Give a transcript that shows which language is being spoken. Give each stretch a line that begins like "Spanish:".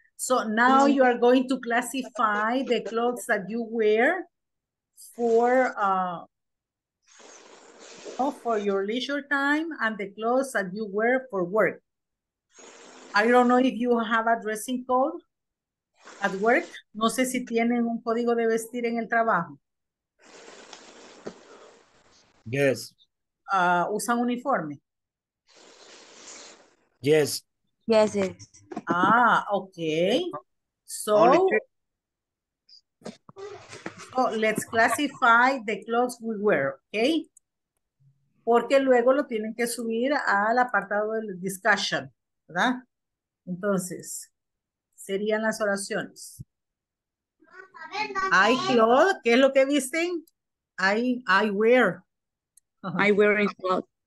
English: So now you are going to classify the clothes that you wear for your leisure time and the clothes that you wear for work. I don't know if you have a dressing code at work.
Spanish: No sé si tienen un código de vestir en el trabajo.
English: Yes.
Spanish: usan uniforme?
English: Yes. Yes, yes. Ah, okay. So let's classify the clothes we wear, okay?
Spanish: Porque luego lo tienen que subir al apartado del discussion, ¿verdad? Entonces, serían las oraciones.
English: I clothe,
Spanish: ¿qué es lo que visten?
English: I wear. I wear a clothes.